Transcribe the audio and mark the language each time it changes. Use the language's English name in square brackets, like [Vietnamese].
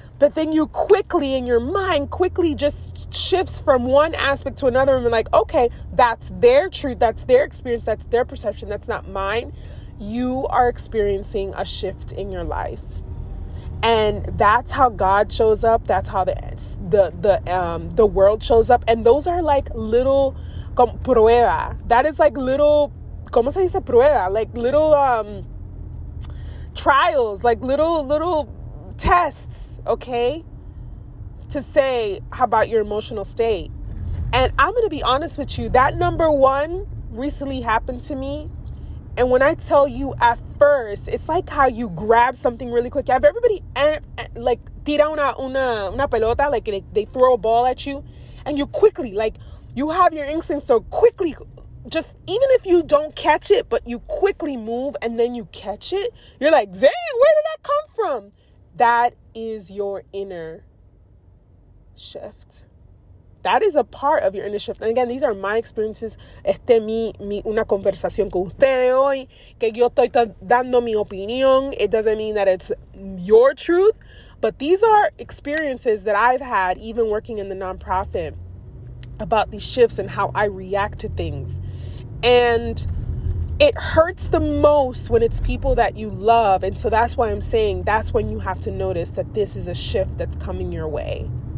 [English] But then you quickly, in your mind, quickly just shifts from one aspect to another and be like, okay, that's their truth. That's their experience. That's their perception. That's not mine. You are experiencing a shift in your life. And that's how God shows up. That's how the world shows up. And those are like little prueba. That is like little, [Spanish] ¿cómo se dice prueba? [English] Like little trials, like little tests, okay? To say, how about your emotional state? And I'm going to be honest with you. That number one recently happened to me. And when I tell you at first, it's like how you grab something really quick. Have everybody, like, [Spanish] tira una pelota, [English] like they throw a ball at you. And you quickly, like, you have your instincts so quickly, just even if you don't catch it, but you quickly move and then you catch it. You're like, dang, where did that come from? That is your inner shift. That is a part of your inner shift. And again, these are my experiences. [Spanish] Este mi una conversación con ustedes hoy. Que yo estoy dando mi opinión. [English] It doesn't mean that it's your truth. But these are experiences that I've had, even working in the nonprofit, about these shifts and how I react to things. And it hurts the most when it's people that you love. And so that's why I'm saying that's when you have to notice that this is a shift that's coming your way.